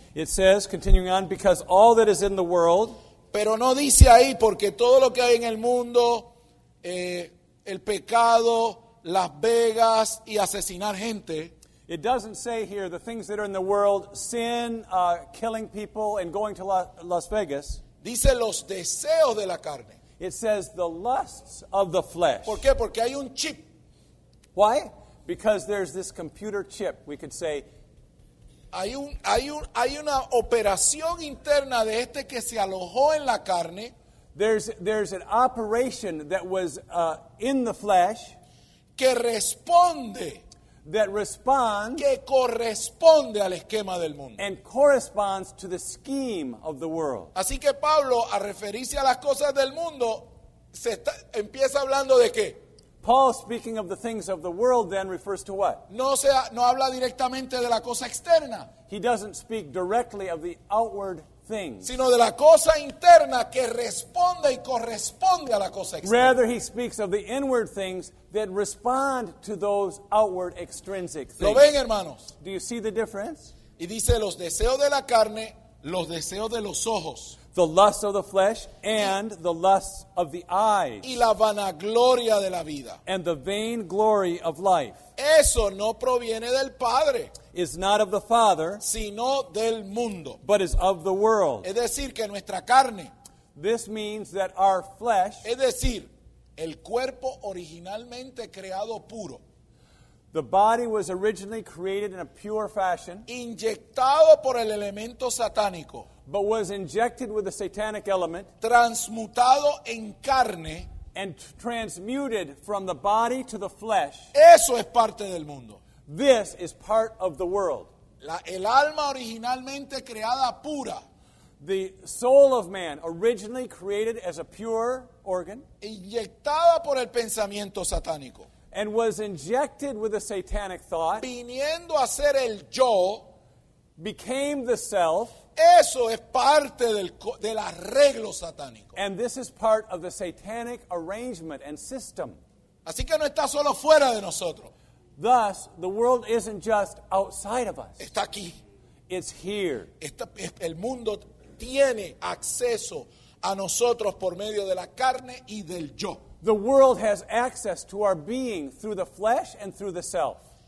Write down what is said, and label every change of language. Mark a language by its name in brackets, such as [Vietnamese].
[English] It says, continuing on, because all that is in the world. [Spanish] Pero no dice ahí, porque todo lo que hay en el mundo, el pecado, Las Vegas y asesinar gente. [English] It doesn't say here the things that are in the world, sin, killing people and going to Las Vegas. [Spanish] Dice los deseos de la carne. [English] It says the lusts of the flesh. [Spanish] ¿Por qué? Porque hay un chip. [English] Why? Because there's this computer chip, we could say. [Spanish] Hay una operación interna de este que se alojó en la carne. [English] There's an operation that was in the flesh. [Spanish] Que responde. [English] That responds. [Spanish] Que corresponde al esquema del mundo. [English] And corresponds to the scheme of the world. [Spanish] Así que Pablo, a referirse a las cosas del mundo, se está, empieza hablando de qué. [English] Paul, speaking of the things of the world, then refers to what? [Spanish] No habla directamente de la cosa externa. [English] He doesn't speak directly of the outward things. [Spanish] Sino de la cosa interna que responde y corresponde a la cosa externa. [English] Rather, he speaks of the inward things that respond to those outward extrinsic things. [Spanish] ¿Lo ven, hermanos? [English] Do you see the difference? [Spanish] Y dice, los deseos de la carne, los deseos de los ojos. [English] The lust of the flesh and the lust of the eyes. [Spanish] Y la vanagloria de la vida. [English] And the vain glory of life. [Spanish] Eso no proviene del Padre. [English] Is not of the Father. [Spanish] Sino del mundo. [English] But is of the world. [Spanish] Es decir, que nuestra carne. [English] This means that our flesh. [Spanish] Es decir, el cuerpo originalmente creado puro. [English] The body was originally created in a pure fashion. [Spanish] Inyectado por el elemento satánico. [English] But was injected with the satanic element. [Spanish] Transmutado en carne. [English] And transmuted from the body to the flesh. [Spanish] Eso es parte del mundo. [English] This is part of the world. [Spanish] El alma originalmente creada pura. [English] The soul of man originally created as a pure organ. [Spanish] Inyectada por el pensamiento satánico. [English] And was injected with a satanic thought. [Spanish] Viniendo a ser el yo. [English] Became the self. [Spanish] Eso es parte del arreglo satánico. [English] And this is part of the satanic arrangement and system. [Spanish] Así que no está solo fuera de nosotros. [English] Thus, the world isn't just outside of us. [Spanish] Está aquí. [English] It's here. [Spanish] El mundo tiene acceso a nosotros por medio de la carne y del yo. [English] The world has access to our being through the flesh and through the self.